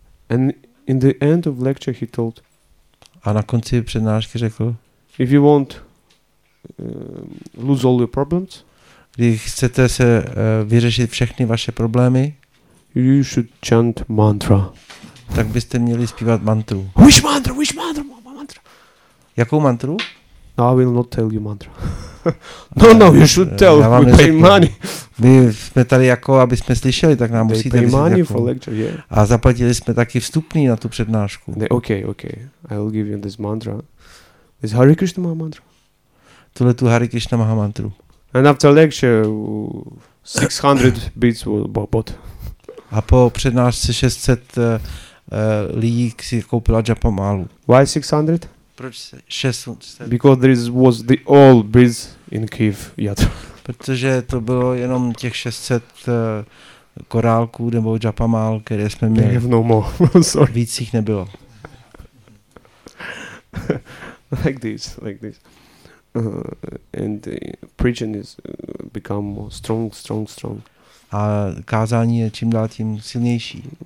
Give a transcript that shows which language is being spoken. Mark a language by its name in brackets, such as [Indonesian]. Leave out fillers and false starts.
[English] And in the end of lecture he told. [Czech] A na konci přednášky řekl. [English] If you want lose all your problems. [Czech] Když chcete se vyřešit všechny vaše problémy, [English] you should chant mantra. [Czech] Tak byste měli zpívat mantru. [English] Which mantra? [Czech] Jakou mantru? [English] No, I will not tell you mantra. No, you should tell. We pay [Czech] neřeknu. [English] Money. [Czech] My jsme tady jako, aby jsme slyšeli, tak nám [English] they [Czech] musíte [English] pay money for lecture, yeah. [Czech] A zaplatili jsme taky vstupný na tu přednášku. [English] Okay. I will give you this mantra. This Hare Krishna mantra. [Czech] Tohle tu Hare Krishna mahamantru. [English] And after lecture, 600 beats were bought. [Czech] A po přednášce 600 lidí si koupila Japamalu. [English] Why 600? [Czech] Proč 600? [English] Because there was the all beats in Kyiv Yatra. [Czech] Protože to bylo jenom těch 600 korálků nebo Japamal, které jsme měli. [English] They have no more. Sorry. [Czech] Víc jich nebylo. [English] Like this. And the preaching is become more strong, strong, strong. [Czech] A kázání je čím dál tím silnější.